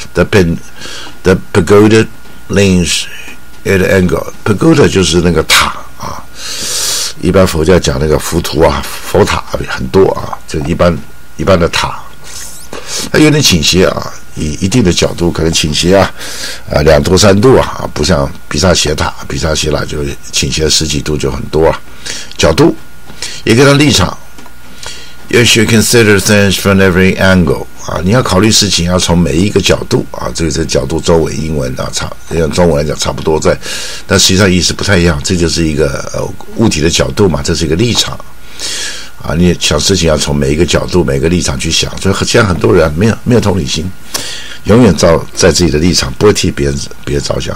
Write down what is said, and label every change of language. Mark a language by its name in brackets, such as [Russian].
[English] The pagoda leans at angle， [Chinese] pagoda 就是那个塔啊，一般佛教讲那个浮屠啊，佛塔很多啊，就一般的塔，它有点倾斜啊，以一定的角度可能倾斜啊两度三度啊，不像比萨斜塔，比萨斜塔就倾斜十几度就很多啊，角度也跟它立场。 [English] Yes, you consider things from every angle. [Chinese] 啊，你要考虑事情要从每一个角度啊，这个是角度周围英文啊，差用中文来讲差不多在，但实际上意思不太一样。这就是一个物体的角度嘛，这是一个立场啊。你想事情要从每一个角度、每个立场去想，所以现在很多人没有同理心，永远照在自己的立场，不会替别人着想。